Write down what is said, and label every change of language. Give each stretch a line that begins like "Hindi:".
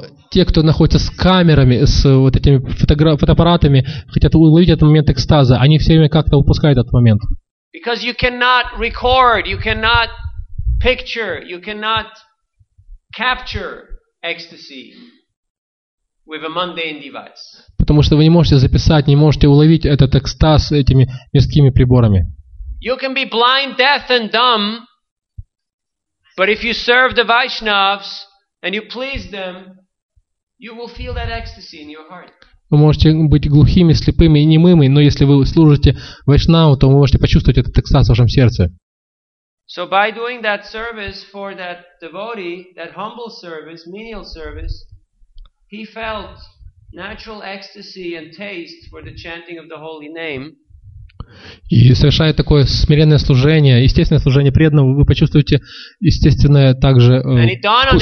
Russian: те, кто находится с камерами, с вот этими фотоаппаратами, хотят уловить этот момент экстаза, они все время как-то упускают этот момент.
English: Because you cannot record, you cannot picture, you cannot capture ecstasy with a mundane device.
Russian: Потому что вы не можете записать, не можете уловить этот экстаз этими мирскими приборами.
English: You can be blind, deaf and dumb, but if you serve the Vaishnavs and you please them, you will feel that ecstasy in your heart.
Russian: Вы можете быть глухими, слепыми и немыми, но если вы служите Вайшнаву, то вы можете почувствовать этот экстаз в вашем сердце.
English: So by doing that service for that devotee, that humble service, menial service, he felt natural ecstasy and taste for the chanting of the holy name.
Russian: И совершая такое смиренное служение, естественное служение преданному, вы почувствуете естественное также вкус